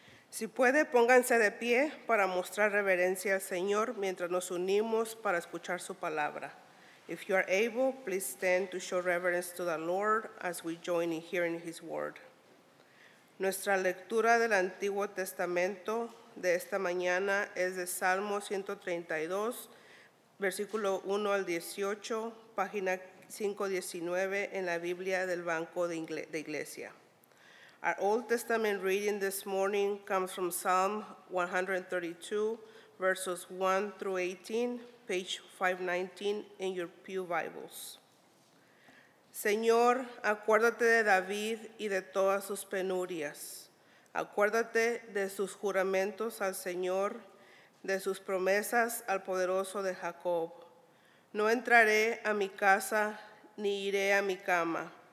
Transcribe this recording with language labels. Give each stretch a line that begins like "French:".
Spanish: Si puede, pónganse de pie para mostrar reverencia al Señor mientras nos unimos para escuchar su palabra.
English: If you are able, please stand to show reverence to the Lord as we join in hearing his word.
Spanish: Nuestra lectura del Antiguo Testamento de esta mañana es de Salmo 132, versículo 1 al 18, página 519 en la Biblia del Banco de Iglesia.
English: Our Old Testament reading this morning comes from Psalm 132, verses 1 through 18, page 519 in your pew Bibles.
Spanish: Señor, acuérdate de David y de todas sus penurias. Acuérdate de sus juramentos al Señor, de sus promesas al poderoso de Jacob. No entraré a mi casa ni iré a mi cama.